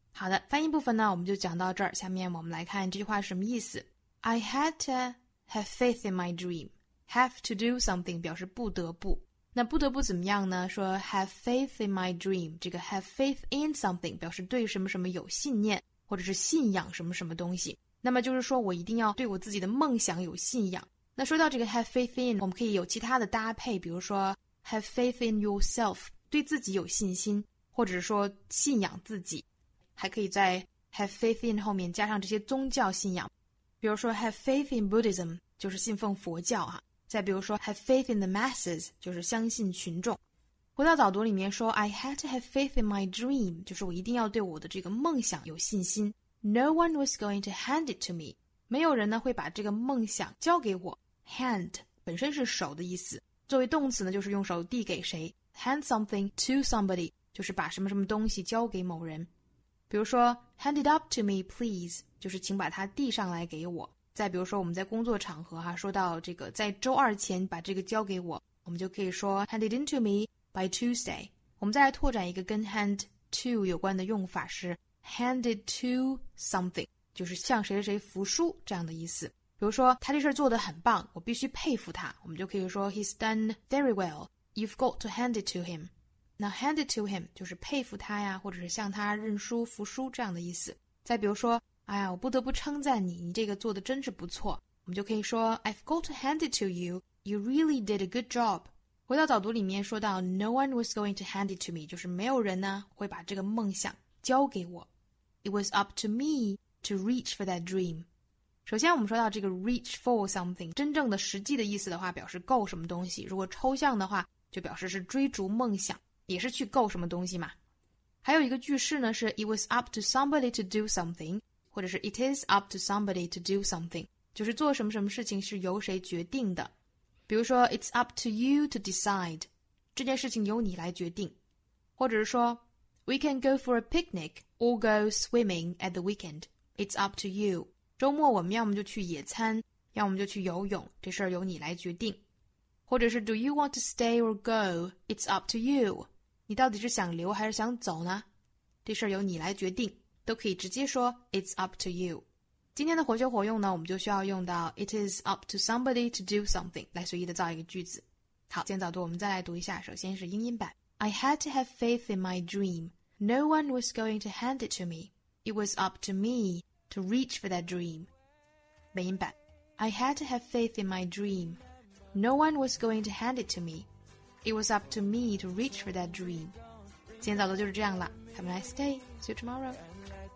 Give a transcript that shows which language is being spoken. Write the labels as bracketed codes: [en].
[zh] 好的，翻译部分呢我们就讲到这儿，下面我们来看这句话什么意思。 [en] I had to have faith in my dream， [zh] have to do something 表示不得不，那不得不怎么样呢，说 have faith in my dream， 这个 have faith in something 表示对什么什么有信念或者是信仰什么什么东西，那么就是说我一定要对我自己的梦想有信仰。那说到这个 have faith in， 我们可以有其他的搭配，比如说 have faith in yourself， 对自己有信心，或者说信仰自己，还可以在 have faith in 后面加上这些宗教信仰，比如说 have faith in Buddhism 就是信奉佛教啊。再比如说 have faith in the masses 就是相信群众。回到早读里面说 [en] I had to have faith in my dream， [zh] 就是我一定要对我的这个梦想有信心。 [en] No one was going to hand it to me， [zh] 没有人呢会把这个梦想交给我。 hand 本身是手的意思，作为动词呢就是用手递给谁， hand something to somebody 就是把什么什么东西交给某人。比如说 [en] hand it up to me please， [zh] 就是请把它递上来给我。再比如说我们在工作场合哈、啊，说到这个在周二前把这个交给我，我们就可以说 [en] hand it in to me by Tuesday。 [zh] 我们再来拓展一个跟 hand to 有关的用法，是 hand it to something， 就是向谁谁服输这样的意思。比如说他这事做得很棒，我必须佩服他，我们就可以说 [en] he's done very well， you've got to hand it to him。 [zh] 那 hand it to him 就是佩服他呀，或者是向他认输服输这样的意思。再比如说哎呀，我不得不称赞你，你这个做的真是不错，我们就可以说 [en] I've got to hand it to you， you really did a good job。 [zh] 回到早读里面说到 [en] no one was going to hand it to me， [zh] 就是没有人呢会把这个梦想交给我。 [en] It was up to me to reach for that dream。 [zh] 首先我们说到这个 reach for something， 真正的实际的意思的话表示够什么东西，如果抽象的话就表示是追逐梦想，也是去够什么东西嘛。还有一个句式呢是 [en] It was up to somebody to do something， 或者是 It is up to somebody to do something， [zh] 就是做什么什么事情是由谁决定的。比如说 [en] It's up to you to decide， [zh] 这件事情由你来决定。 [en] 或者是说 We can go for a picnic or go swimming at the weekend. It's up to you. [zh] 周末我们要么就去野餐，要么就去游泳，这事儿由你来决定。 [en] 或者是 Do you want to stay or go? It's up to you. [zh] 你到底是想留还是想走呢？这事儿由你来决定，都可以直接说 [en] It's up to you. [zh] 今天的活学活用呢，我们就需要用到 It is up to somebody to do something 来随意的造一个句子。好，今天早读我们再来读一下，首先是英音版。 [en] I had to have faith in my dream. No one was going to hand it to me. It was up to me to reach for that dream. 美音版。 I had to have faith in my dream. No one was going to hand it to me. It was up to me to reach for that dream. [zh] 今天早读就是这样了。 [en] Have a nice day. See you tomorrow.